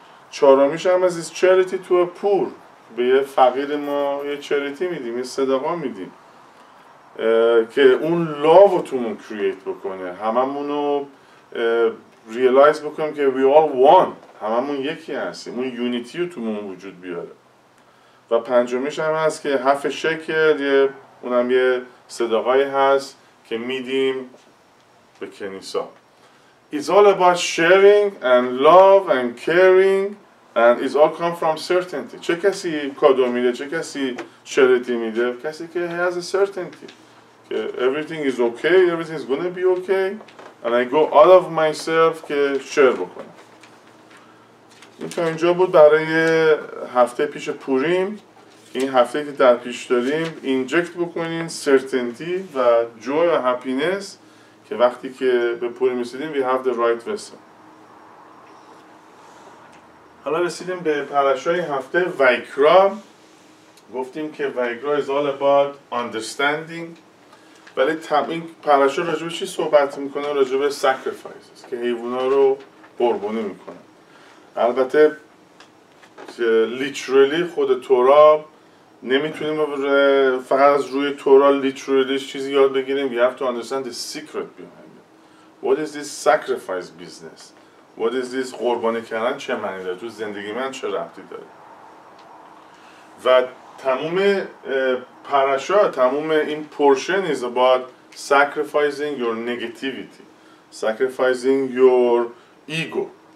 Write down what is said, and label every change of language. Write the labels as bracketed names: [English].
[Persian] چهارمیش هم از [English] charity to a poor، [Persian] به یه فقیر ما یه charity میدیم، یه صدقه میدیم که اون love رو تومون create بکنه، هممونو realize بکنم که [English] we all one، [Persian] هممون یکی هستیم، اون یونیتی رو تومون وجود بیاره. و پنجمیش هم هست که حرف شکل، اونم یه صداقایی هست که میدیم به کنیسا. [English] It's all about sharing and love and caring and it's all come from certainty. [Persian] چه کسی کادو میده، چه کسی شرطی میده؟ کسی که [English] has a certainty که everything is okay, everything is gonna be okay and I go out of myself که share بکنم. [Persian] این تا اینجا بود برای هفته پیش پوریم. این هفته که در پیش داریم اینجکت بکنین certainty و joy و happiness که وقتی که به پوریم رسیدیم [English] we have the right vessel. [Persian] حالا رسیدیم به پرشای هفته ویکرا. گفتیم که ویکرا [English] is all about understanding، [Persian] ولی این پرشا راجب چی صحبت میکنه؟ راجب sacrifices که حیوانا رو قربانی میکنن. البته لیترالی خود تورا نمیتونیم فقط از روی تورا لیترالیش چیزی یاد بگیریم. [English] You have to understand the secret behind it. What is this sacrifice business? What is this [Persian] قربانی کردن چه معنی داره؟ تو زندگی من چه ربطی داره؟ و تموم پرشا، تموم این پورشن [English] is about sacrificing your negativity. Sacrificing your ego.